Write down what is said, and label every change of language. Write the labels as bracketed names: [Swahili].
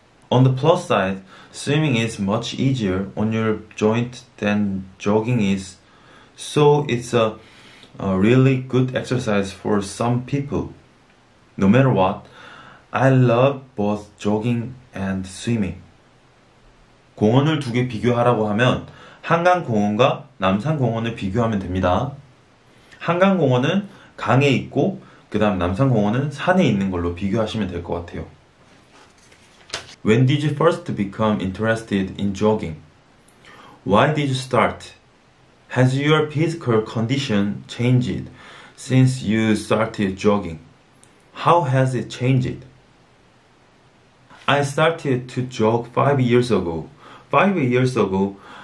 [English] On the plus side, swimming is much easier on your joint than jogging is, so it's a really good exercise for some people. No matter what, I love both jogging and swimming. [Korean] 공원을 두 개 비교하라고 하면 한강공원과 남산공원을 비교하면 됩니다. 한강공원은 강에 있고 그 다음 남산공원은 산에 있는 걸로 비교하시면 될 것 같아요. [English] When did you first become interested in jogging? Why did you start? Has your physical condition changed since you started jogging? How has it changed? I started to jog 5 years ago. 5 years ago,